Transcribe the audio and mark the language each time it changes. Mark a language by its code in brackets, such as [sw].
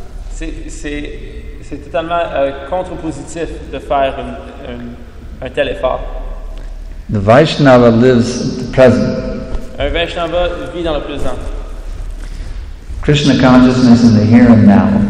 [fr] C'est totalement contre-positif de faire un tel effort. [en] The Vaishnava lives the present. [fr] Un Vaishnava vit dans le présent. [en] Krishna consciousness in the here and now.